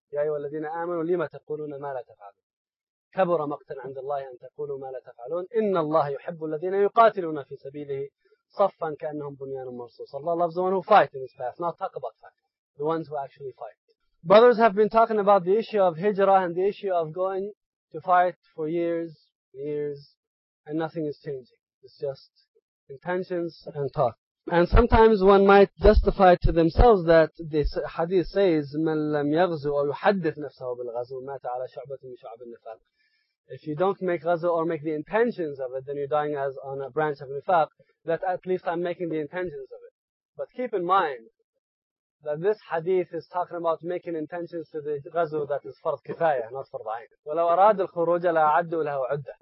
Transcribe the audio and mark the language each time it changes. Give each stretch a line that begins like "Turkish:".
Arabic: يَا أَيُّهَا الَّذِينَ آمَنُوا لِمَ تَقُولُونَ مَا لَا تَفْعَلُونَ كَبُرَ مَقْتًا عَنْدَ اللَّهِ أَنْ تَقُولُوا مَا لَا تَفْعَلُونَ إِنَّ اللَّهَ يُحِبُّ الَّذِينَ يُقَاتِلُونَ فِي سَبِيلِهِ صَفًّا كَأَنَّهُمْ بُنْيَانٌ مَرْصُوصٌ.
English: Allah loves the one who fight in his path, not talk about fight. The ones who actually fight. Brothers have been talking about the issue of hijrah and the issue of going to fight for years and years, and nothing is changing. It's just intentions and talk. And sometimes one might justify to themselves that this hadith says,
Arabic: مَنْ لَمْ يَغْزُ أَوْ يُحَدِّثْ نَفْسَهُ بِالْغَزُ مَاتَ عَلَى شَعْبَةٍ مِنْ شَعْبِ النِّفَاقِ.
English: If you don't make ghazu or make the intentions of it, then you're dying as on a branch of nifaq, that at least I'm making the intentions of it. But keep in mind that this hadith is talking about making intentions to the ghazu that is fard kifayah, not fard ayn.
Arabic: وَلَوْ أَرَادُ الْخُرُوجَ لَأَعَدُّوا لَهُ عُدَّةً.